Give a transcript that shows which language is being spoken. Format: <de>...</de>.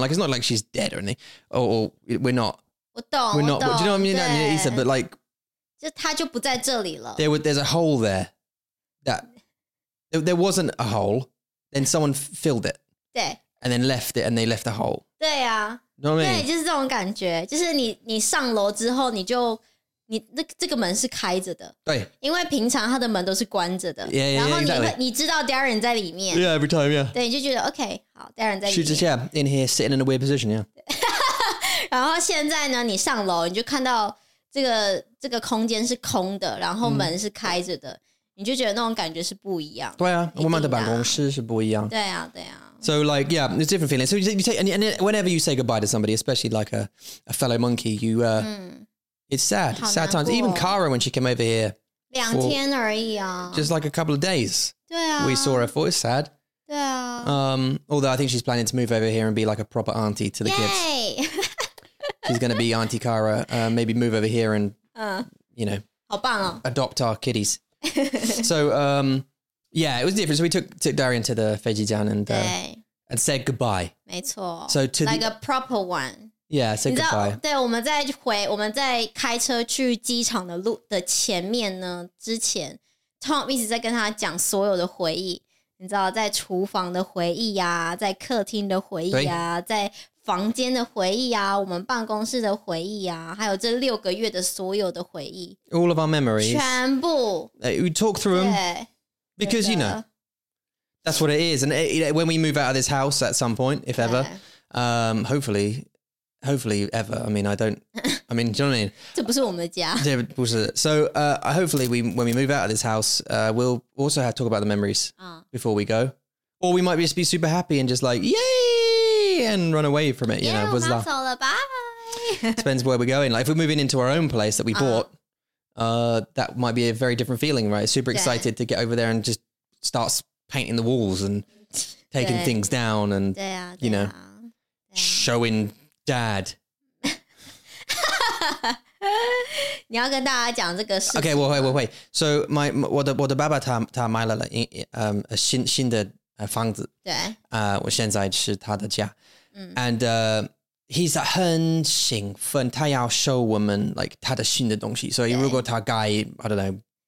<en>Like, it's not like she's dead or anything. Or we're not.</en> <zh>我懂我懂</zh> <en>Do you know what I mean?</en> <zh>你的意思</zh> <en>But like.</en> <zh>就他就不在这里了</zh> <en>There's a hole there. That. There wasn't a hole. Then someone filled it.</en> <zh>对</zh> <en>And then left it. And they left a hole.</en> <zh>对啊</zh> <en>You know what I mean?</en> <zh>对就是这种感觉就是你上楼之后你就你那这个门是开着的对因为平常他的门都是关着的</zh> <en>yeah, yeah,</en> <zh>然后</zh> <en>yeah, exactly.</en> <zh>你知道 Darian 在里面</zh> <en>yeah every time yeah</en> <zh>对你就觉得 OK 好 Darian 在里面</zh> <en>she's just yeah in here sitting in a weird position yeah</en> <zh>然后现在呢你上楼你就看到这个空间是空的然后门是开着的、你就觉得那种感觉是不一样对啊我们的办公室是不一样对啊对啊</zh> <en>So like, yeah, there's different feelings. So you take, and whenever you say goodbye to somebody, especially like a fellow monkey, you, It's sad. Sad times. Even Kara, when she came over here.</en> <zh>两天而已啊。</zh> <en>Just like a couple of days.</en> <zh>对啊。</zh> <en>We saw her for it's sad.</en> <zh>对啊。</zh> <en>Although I think she's planning to move over here and be like a proper auntie to the kids. Yay! She's going to be Auntie Cara. Maybe move over here and, you know,</en> <zh>好棒哦.</zh> <en>Adopt our kitties. So, yeah, it was different. So we took Darian to the</en> <zh>飞机站</zh> <en>and said goodbye.</en> <zh>没错.</zh> <en>So to like a proper one. Yeah, said goodbye.</en> <zh>对，我们在开车去机场的路的前面呢，之前 Tom 一直在跟他讲所有的回忆。你知道，在厨房的回忆啊，在客厅的回忆啊，在房间的回忆啊，我们办公室的回忆啊，还有这六个月的所有的回忆</zh> <en>，all of our memories，</en> <zh>全部</zh> <en>，we talk through them because you know that's what it is. And when we move out of this house at some point, if ever, hopefully ever. I mean, do you know what I mean?</en> <zh>这不是我们的家。这不是。</zh> <en>So hopefully when we move out of this house, we'll also have to talk about the memories before we go. Or we might just be super happy and just like, yay, and run away from it. Yeah, that's all about. Depends where we're going. Like if we're moving into our own place that we bought, that might be a very different feeling, right? Super excited to get over there and just start painting the walls and taking things down and, you know, showing dad.</en> <zh>你要跟大家讲这个事情吗? Okay, 我会</zh> <en>So my</en> <zh>爸爸他买了一个新的房子，对，我现在是他的家。</zh> <en>And he's</en> <zh>很兴奋，他要show我们 like 他的新的东西。所以 如果他盖</zh> <en>I don't know</en>